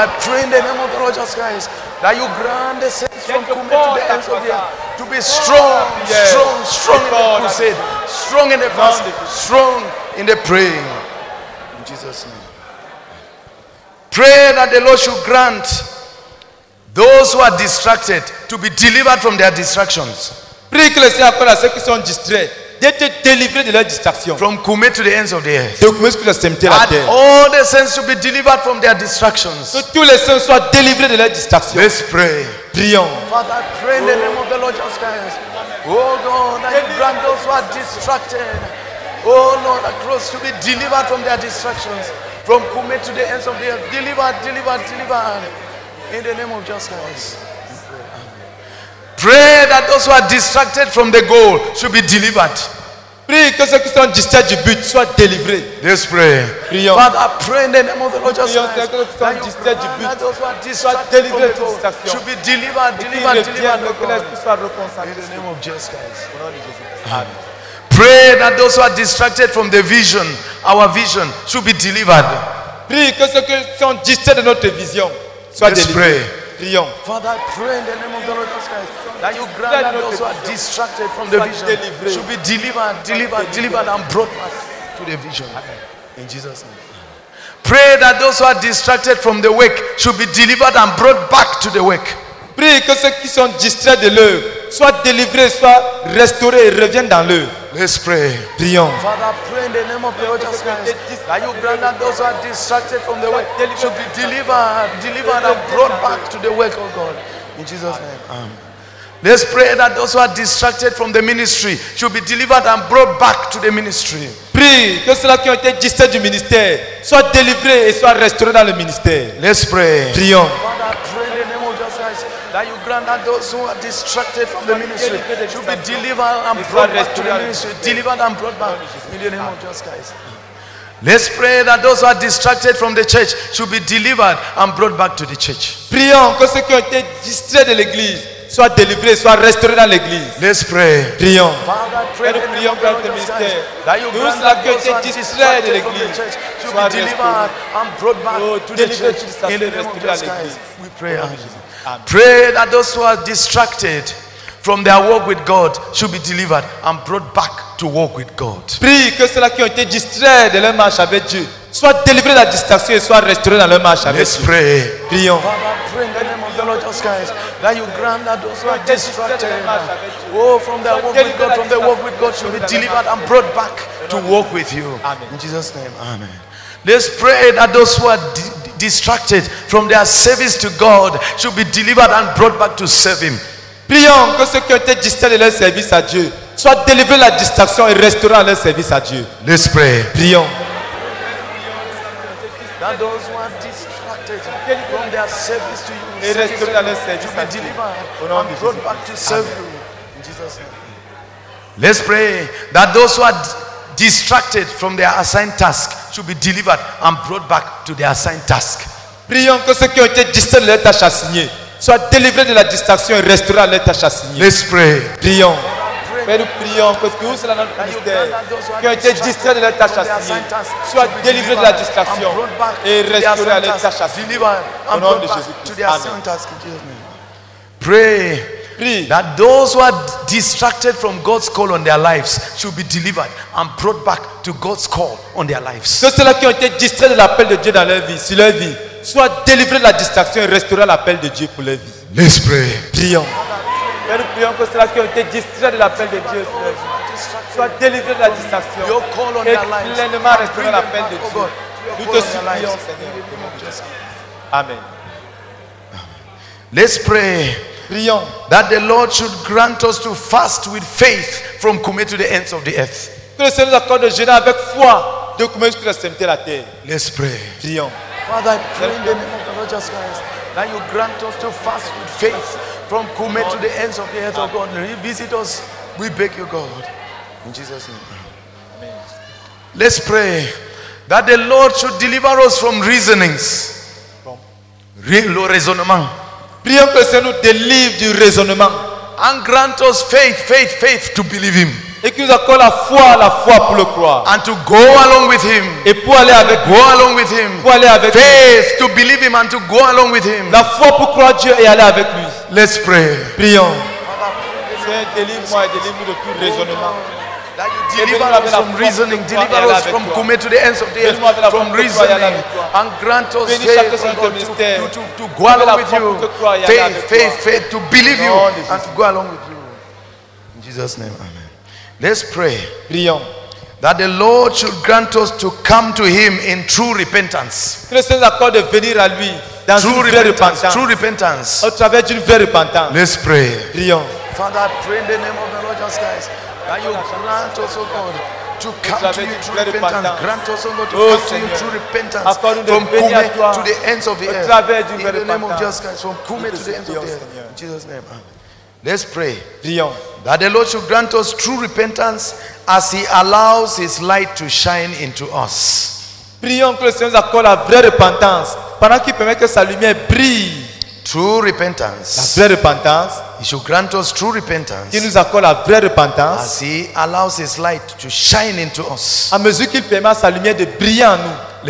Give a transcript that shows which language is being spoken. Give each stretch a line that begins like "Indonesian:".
English: Strong in the crusade, strong in the praying, strong in the fast. That you grant the sense from coming to the ends of the earth to be strong, yes. strong in the crusade, strong in the fast, strong in the praying. In Jesus' name. Pray that the Lord should grant those who are distracted to be delivered from their distractions. Pray
French: que le Seigneur accorde à ceux qui sont distraits d'être délivrés de leurs distractions.
English: From Kume to the ends of the earth.
French: De Kume jusqu'à la terre.
English: And all the saints should be delivered from their distractions.
French: Que tous les saints soient délivrés de leurs distractions.
English: Let's pray.
French: Prions.
English: Father, pray in the name of the Lord Jesus Christ. Oh God, that you grant those who are distracted. Oh Lord, that those should be delivered from their distractions. From Kume to the ends of the earth. Delivered, delivered, delivered. In the name of Jesus Christ. Pray that those who are distracted from the goal should be delivered. Pray
French: que ceux qui sont distraits du but soient délivrés.
English: Let's pray.
French: Prions.
English: Father, pray in the name of the Lord Jesus Christ.
French: Prions que ceux qui sont distraits du but soient délivrés de distraction.
English: Should be delivered, delivered, delivered.
French: Que les
English: in the name of Jesus Christ. Pray that those who are distracted from the vision, our vision, should be delivered. Pray
French: que ceux qui sont distraits de notre vision soient délivrés.
English: Father, pray in the name of the Lord Jesus Christ that you grant that those who are distracted from the vision should be delivered, delivered, delivered and brought back to the vision. In Jesus' name. Pray that those who are distracted from the work should be delivered and brought back to the work. Pray
French: que ceux qui sont distraits de l'œuvre soient délivrés, soient restaurés et reviennent dans l'œuvre.
English: Let's pray.
French: Prions.
English: Father, pray in the name of the Lord Jesus Christ that you grant that those who are distracted from the work should be delivered, delivered and brought back to the work of God. In Jesus' name. Amen. Let's pray that those who are distracted from the ministry should be delivered and brought back to the ministry.
French: Prie que ceux qui ont été distraits du ministère soient délivrés et soient restaurés dans le ministère.
English: Let's pray.
French: Prions.
English: That you grant that those who are distracted from the ministry should be delivered and brought back to the ministry. Delivered and brought back in the name of Jesus Christ. Let's pray that those who are distracted from the church should be delivered and brought back to the church.
French: Prions que ceux qui ont été distraits de l'église soient délivrés, soient restaurés dans l'église.
English: Let's pray.
French: Prions.
English: Father, pray in the ministry. That you grant that those who are distracted from the church should be delivered and brought back to the church in the name of Jesus Christ. We pray. Amen. Pray that those who are distracted from their walk with God should be delivered and brought back to walk with God.
French: Prie que ceux-là qui ont été distraits de leur marche avec Dieu soient délivrés de la distraction et soient restaurés dans leur marche avec
English: Dieu. Let's pray.
French: Prions.
English: Father, pray in the name of the Lord Jesus Christ that you grant that those who are distracted from their walk with God, from their walk with God should be delivered and brought back to walk with you. Amen. In Jesus' name. Amen. Let's pray that those who are distracted from their service to God should be delivered and brought back to serve Him.
French: Prions que ceux qui ont été distraits de leur service à Dieu soient délivrés de la distraction et restaurés à leur service à Dieu.
English: Let's pray.
French: Prions.
English: That those who are distracted from their service to you
French: et restaurés à leur service
English: should be delivered and brought back to serve you. In Jesus' name. Let's pray that those who are distracted from their assigned task should be delivered and brought back to their assigned task.
French: Prions que ceux qui ont été distraits de leur tâche assignée soient délivrés de la distraction et restaurés à leur tâche assignée.
English: Let's pray.
French: Prions. Mais nous prions que tous dans notre ministère qui ont été distraits de leur tâche assignée soient délivrés de la distraction et restaurés à leur tâche assignée. Au nom de Jésus-Christ. Amen. Pray that those who are distracted from God's call on their lives should be delivered and brought back to God's call on their lives. Que ceux-là qui ont été distraits de l'appel de Dieu dans leur vie, sur leur vie, soient délivrés de la distraction et restaurés à l'appel de Dieu pour leur vie. L'esprit. Prions. Père, nous prions que ceux qui ont été distraits de l'appel de Dieu pour leur vie soient délivrés de la distraction et pleinement restaurés à l'appel de Dieu. Nous te supplions, Seigneur. Amen. L'esprit. Prions.
English: That the Lord should grant us to fast with faith from Kumé to the ends of the earth.
French: Que le Seigneur nous accorde de jeûner avec foi de Kumé jusqu'à la sainteté de la terre.
English: Let's pray.
French: Prions.
English: Father, I pray in the name of the Lord Jesus Christ that you grant us to fast with faith from Kumé to the ends of the earth, O God. Revisit us, we beg you, God. In Jesus' name. Amen. Let's pray that the Lord should deliver us from reasonings.
French: Le raisonnement. Prions que le Seigneur nous délivre du raisonnement.
English: And grant us faith to believe him.
French: Et qu'il nous accorde la foi pour le croire.
English: And to go along with him.
French: Et pour aller avec
English: go along with him.
French: Pour aller avec
English: faith
French: lui.
English: To believe him and to go along with him.
French: La foi pour croire Dieu et aller avec lui.
English: Let's pray.
French: Prions. Seigneur, délivre-moi et délivre-moi de tout raisonnement.
English: Deliver us from reasoning. Deliver us from Kumé to the ends of the earth. From reasoning. And grant us faith to go along with you. Faith to believe you. And to go along with you. In Jesus' name, amen. Let's pray.
French: Prions.
English: That the Lord should grant us to come to him in true repentance.
French: Que le Seigneur accorde de venir à lui dans une vraie repentance.
English: True repentance.
French: Au travers d'une vraie repentance.
English: Let's pray.
French: Prions.
English: Father, I pray in the name of the Lord Jesus Christ. That you grant us, O God, to come to you through repentance. Grant us, O God, to come to you through repentance. From Kumé to the ends of the earth. In the name of Jesus Christ, from Kumé to the ends of the earth. In Jesus' name, amen. Let's pray. That the Lord should grant us true repentance as he allows his light to shine into us.
French: Prions que le Seigneur nous accorde la vraie repentance pendant qu'il permet que sa lumière brille.
English: True repentance.
French: La vraie repentance.
English: He should grant us true repentance.
French: Il nous accorde la vraie repentance.
English: As he allows his light to shine into us.
French: À mesure qu'il permet à sa lumière de briller en nous.